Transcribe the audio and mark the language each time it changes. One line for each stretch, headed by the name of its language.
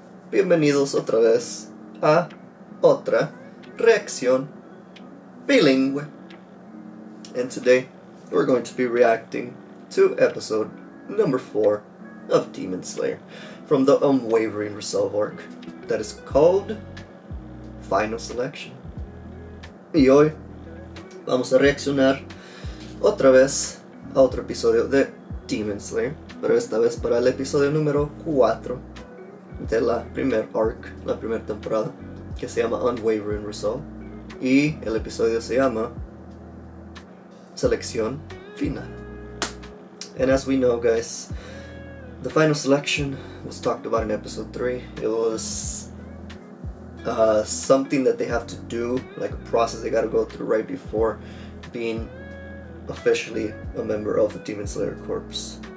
Spanish: Bienvenidos otra vez a otra reacción bilingüe.
English: And today, we're going to be reacting to episode number 4 of Demon Slayer from the Unwavering Resolve arc that is called Final Selection.
Spanish: Y hoy vamos a reaccionar otra vez a otro episodio de Demon Slayer, pero esta vez para el episodio número 4 de la primer arc, la primera temporada, que se llama Unwavering Resolve, y el episodio se llama Selección Final.
English: And as we know, guys, the final selection was talked about in episode 3. It was something that they have to do, like a process they gotta go through right before being officially a member of the Demon Slayer Corps.